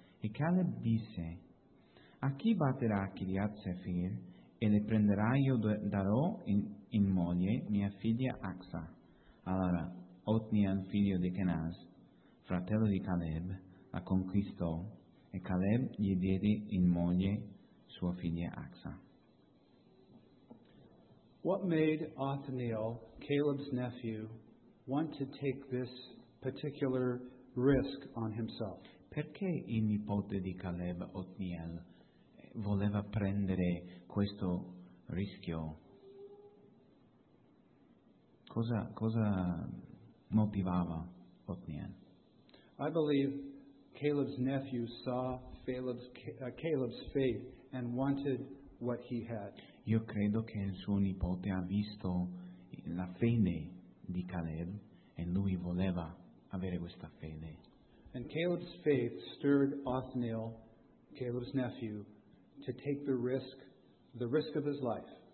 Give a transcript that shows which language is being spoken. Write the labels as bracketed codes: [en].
[it] E Caleb disse: a chi batterà Kiriath Sefer e le prenderà? Io darò in moglie mia figlia Aksa. Allora Otniel, figlio di Kenaz, fratello di Caleb, la conquistò, e Caleb gli diede in moglie sua figlia Aksa. [en] What made Othniel, Caleb's nephew, want to take this particular risk on himself? [it] Perché il nipote di Caleb, Othniel, voleva prendere questo rischio? Cosa motivava Othniel? [en] I believe Caleb's nephew saw Caleb's faith and wanted what he had. [it] Io credo che il suo nipote ha visto la fede di Caleb e lui voleva avere questa fede. [en] And Caleb's faith stirred Othniel, Caleb's nephew, to take the risk of his life.